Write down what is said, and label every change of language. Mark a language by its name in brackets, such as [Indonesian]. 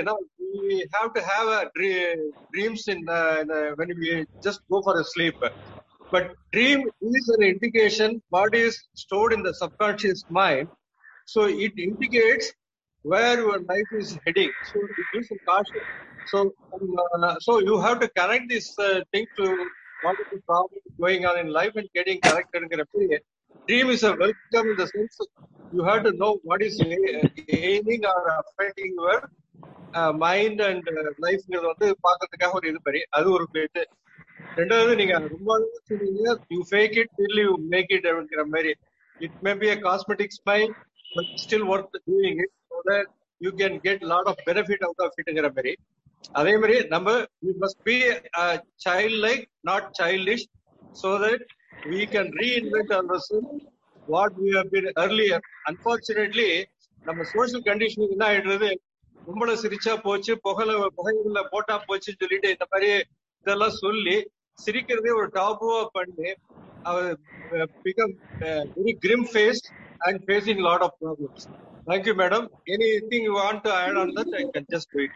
[Tamil] ஏன்னா [English] We have to have dreams in when we just go for a sleep. But dream is an indication body is stored in the subconscious mind. So it indicates where your life is heading. So it is caution. So you have to connect this thing to what is the problem going on in life and getting connected. Dream is a welcome in the sense you have to know what is aiming or affecting your mind and life. You have to look at what is happening. That's one thing. You fake it till you make it. It may be a cosmetic smile, but still worth doing it so that you can get a lot of benefit out of it. [Tamil] அதே மாதிரி நம்ம [English] we must be a child like not childish so that we can reinvent ourselves what we have been earlier. [Tamil] Unfortunately நம்ம social conditioning என்ன ஆயிடுறது, கும்பல சிரிச்சா போச்சு, புகையில போட்டா போச்சு சொல்லிட்டு இந்த மாதிரி இதெல்லாம் சொல்லி சிரிக்கிறதே ஒரு டாபுவா பண்ணி [English] அவர் become very grim faced and facing lot of problems. Thank you, madam. Anything you want to add on that, I can just do it.